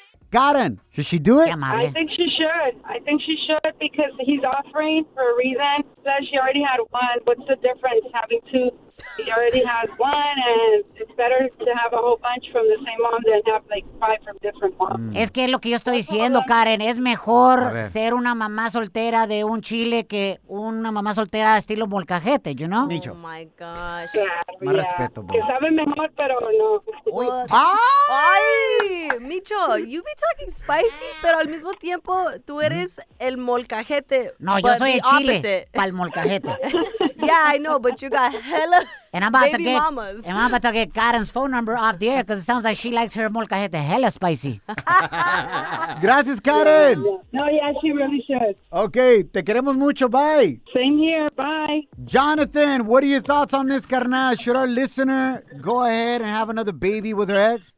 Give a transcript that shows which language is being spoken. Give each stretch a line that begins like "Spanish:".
English: Karen, should she do it? I think she should. I think she should because he's offering for a reason. Says she already had one. What's the difference having two? He already has one, and it's better to have a whole bunch from the same mom than have like five from different moms. Mm.
Spanish: Es que es lo que yo estoy diciendo, Karen. Es mejor ser una mamá soltera de un chile que una mamá soltera estilo molcajete,
English: you know? Oh, my gosh. Yeah,
Spanish: más respeto, bro. Que saben mejor, pero no. ¡Ay! Micho,
English: you be talking spicy,
Spanish: pero al mismo tiempo tú eres el molcajete. No, yo soy el chile para el molcajete.
English: Yeah, I know, but you got hella And I'm about baby to get mamas. And I'm about to get Karen's phone number off the air because it sounds like she likes her molcajete hella spicy.
Spanish: Gracias, Karen.
English: Yeah. No, yeah, she really should.
Spanish: Okay, te queremos mucho. Bye.
English: Same here. Bye. Jonathan, what are your thoughts on this, carnal? Should our listener go ahead and have another baby with her ex?